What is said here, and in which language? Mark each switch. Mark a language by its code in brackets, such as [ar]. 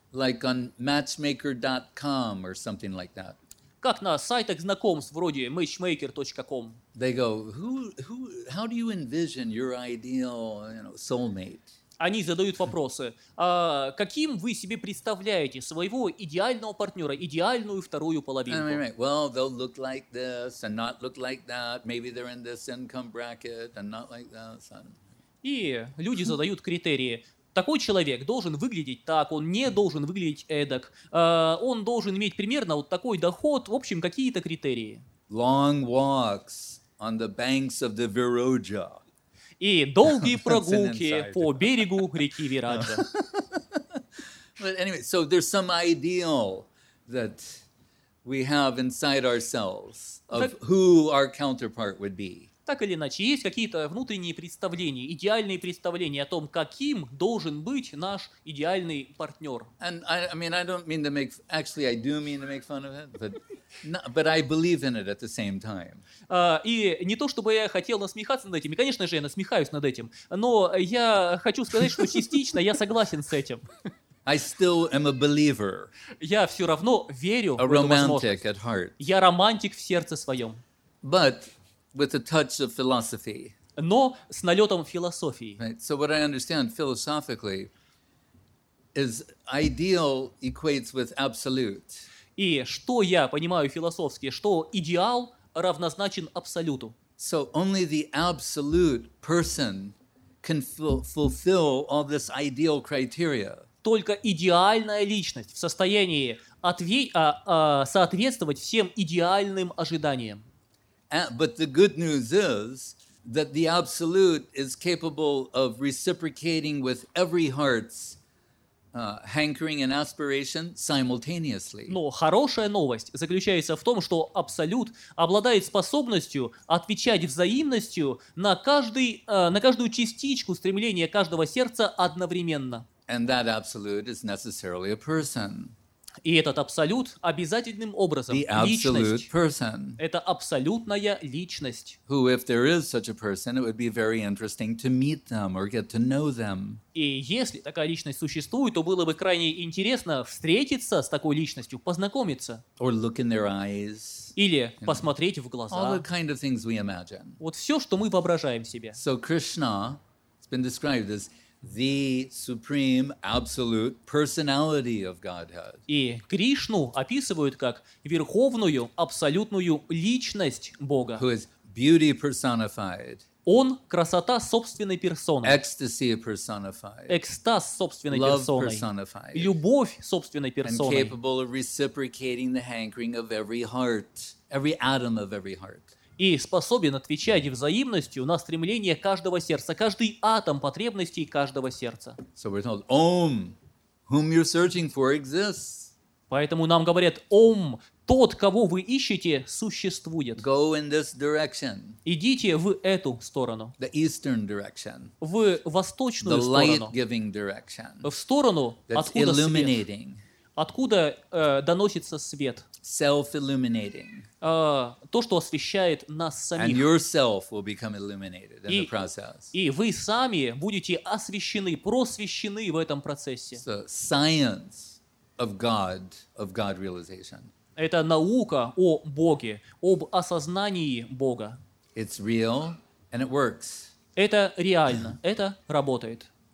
[en] Like on matchmaker.com or something like that. [ru] Как на сайтах знакомств вроде matchmaker.com. [en] They go, who, how do you envision your ideal, you know, soulmate? [ru] Они задают вопросы, каким вы себе представляете своего идеального партнера, идеальную вторую половинку? [en] Right. Well, they'll look like this and not look like that. Maybe they're in this income bracket and not like that. So... [ru] И люди задают критерии. Такой человек должен выглядеть так, он не должен выглядеть эдак. Он должен иметь примерно вот такой доход, в общем, какие-то критерии. [en] Long walks on the banks of the Viroja. [ru] И долгие прогулки по берегу реки Вираджа. [en] But anyway, so there's some ideal that we have inside ourselves of who our counterpart would be. [ru] Так или иначе, есть какие-то внутренние представления, идеальные представления о том, каким должен быть наш идеальный партнер. [en] And I mean, I don't mean to make, actually, I do mean to make fun of it, but I believe in it at the same time. [ru] И не то, чтобы я хотел насмехаться над этим, и, конечно же, я насмехаюсь над этим, но я хочу сказать, что частично я согласен с этим. [en] I still am a believer. [ru] Я все равно верю в эту возможность. [en] At heart. [ru] Я романтик в сердце своем. [en] But with a touch of philosophy. [ru] Но с налетом философии. [en] Right. So what I understand philosophically is ideal equates with absolute. [ru] И что я понимаю философски, что идеал равнозначен абсолюту. [en] So only the absolute person can fulfill all this ideal criteria. [ru] Только идеальная личность в состоянии соответствовать всем идеальным ожиданиям. [en] But the good news is that the absolute is capable of reciprocating with every heart's hankering and aspiration simultaneously. [ru] Но хорошая новость заключается в том, что абсолют обладает способностью отвечать взаимностью на каждую частичку стремления каждого сердца одновременно. [en] And that absolute is necessarily a person. [ru] И этот абсолют обязательным образом [en] the absolute [ru] личность. [en] Person. [ru] Это абсолютная личность. [en] Who, if there is such a person, it would be very interesting to meet them or get to know them. [ru] И если такая личность существует, то было бы крайне интересно встретиться с такой личностью, познакомиться. [en] Or look in their eyes. [ru] Или посмотреть в глаза. [en] All the kind of things we imagine. [ru] Вот все, что мы воображаем себе. [en] So Krishna has been described as the supreme absolute personality of Godhead. [ru] И Кришну описывают как верховную абсолютную личность Бога. [en] Who is beauty personified? [ru] Он красота собственной персоны. [en] Ecstasy personified. [ru] Экстаз собственной [en] love [ru] персоной. [en] Love personified. [ru] Любовь собственной персоной. [en] And capable of reciprocating the hankering of every heart, every atom of every heart. [ru] И способен отвечать взаимностью на стремление каждого сердца, каждый атом потребностей каждого сердца. [en] So we're told, Om, whom you're searching for exists. [ru] Поэтому нам говорят, Ом, тот, кого вы ищете, существует. [en] Go in this direction. [ru] Идите в эту сторону. [en] The eastern direction. [ru] В восточную [en] the [ru] сторону. [en] Light-giving direction. [ru] В сторону, [en] That's [ru] откуда [en] illuminating. [ru] Свет. Откуда доносится свет? [en] Self-illuminating. [ru] То, что освещает нас самих. [en] And yourself will become illuminated in the process. [ru] И вы сами будете освещены, просвещены в этом процессе. [en] So, science of God realization. [ru] Это наука о Боге, об осознании Бога. [en] It's real and it works. [ru] Это реально, это работает.